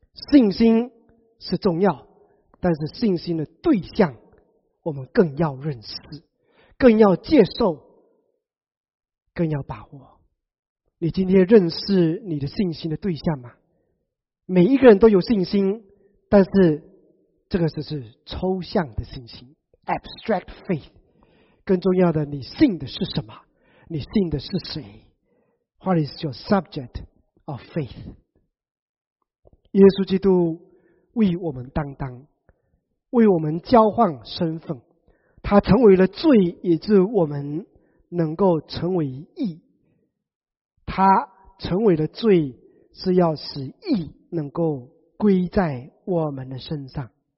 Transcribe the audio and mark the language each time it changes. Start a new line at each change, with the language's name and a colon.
Chinese: 信心是重要，但是信心的对象我们更要认识，更要接受，更要把握。你今天认识你的信心的对象吗？每一个人都有信心，但是这个只是抽象的信心
English: abstract faith。
Chinese: 更重要的，你信的是什么？你信的是谁？
English: What is your subject of faith?
Chinese: 耶稣基督为我们担当，为我们交换身份，他成为了罪，以致我们能够成为义。他成为了罪，是要使义能够归在我们的身上。